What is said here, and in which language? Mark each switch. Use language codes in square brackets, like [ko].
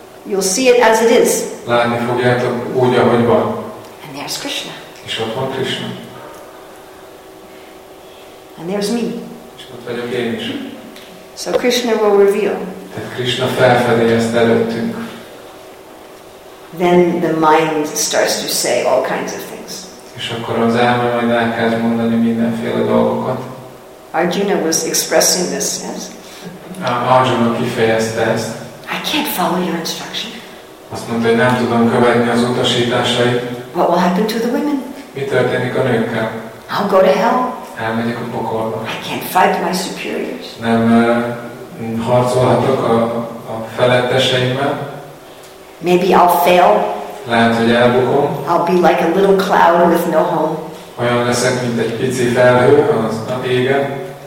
[en] You'll see it as it is. [hu] Látni fogjátok úgy, ahogy van. [en] And there's Krishna. [hu] És ott van Krishna. [en] And there's me. [hu] És ott vagyok én is. [en] So Krishna will reveal. [hu] Tehát Krishna felfedi ezt előttünk. [en] Then the mind starts to say all kinds of things. [hu] És akkor az elme majd elkezd mondani mindenféle dolgokat. [en] Arjuna was expressing this, yes? [hu] Arjuna kifejezte ezt. [en] I can't follow your instruction. [hu] Azt mondta, hogy nem tudom követni az utasításait. [en] What will happen to the women? [hu] Mi történik a nőkkel? [en] I'll go to hell. [hu] Elmegyek a pokolba. [en] I can't fight my superiors. [hu] Nem harcolhatok a feletteseimmel. [en] Maybe I'll fail. [hu] Lehet, hogy elbukom. [en] I'll be like a little cloud with no home. [hu] Olyan leszek, mint egy pici felhő az égen.